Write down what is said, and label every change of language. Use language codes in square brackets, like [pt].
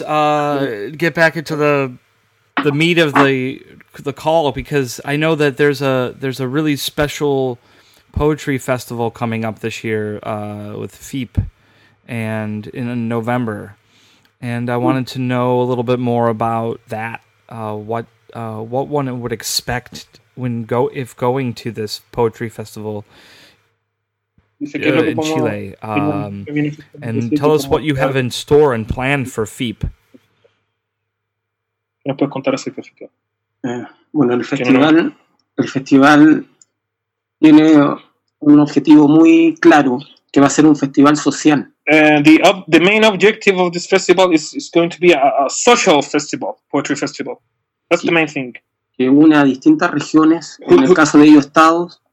[en] Get back into the meat of the call, because I know that there's a really special poetry festival coming up this year with FEEP and in November, and I wanted to know a little bit more about that. What one would expect when going to this poetry festival in Chile, and tell us what you have in store and plan for FEEP. [es] ¿Nos puedes contar acerca del festival? Bueno, el festival tiene un objetivo muy claro, que va a ser un festival social. [en] The main objective of this festival is going to be a social festival, poetry festival. That's the main thing. [es] Que une a distintas regiones, en el caso de ellos estados.